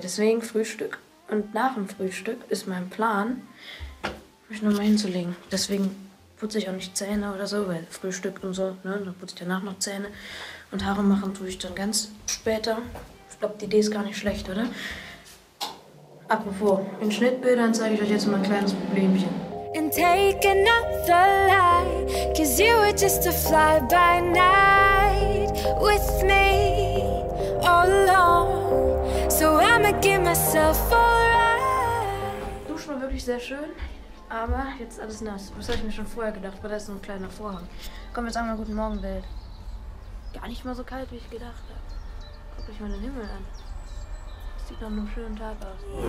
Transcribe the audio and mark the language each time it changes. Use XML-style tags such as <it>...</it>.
<de>Deswegen Frühstück und nach dem Frühstück ist mein Plan, mich nochmal hinzulegen. Deswegen putze ich auch nicht Zähne oder so, weil Frühstück und so, ne, dann putze ich danach noch Zähne. Und Haare machen tue ich dann ganz später. Ich glaube, die Idee ist gar nicht schlecht, oder? Apropos, in Schnittbildern zeige ich euch jetzt mal ein kleines Problemchen.</de> <en>And take another lie, 'cause you were just a fly by night with me all along. So I'ma give myself a ride.</en> <de>Duschen war wirklich sehr schön, aber jetzt ist alles nass. Was habe ich mir schon vorher gedacht, weil das ist so ein kleiner Vorhang. Komm, jetzt sagen wir guten Morgen, Welt. Gar nicht mal so kalt, wie ich gedacht habe. Guck euch mal den Himmel an. Sieht nach einem schönen Tag aus.</de>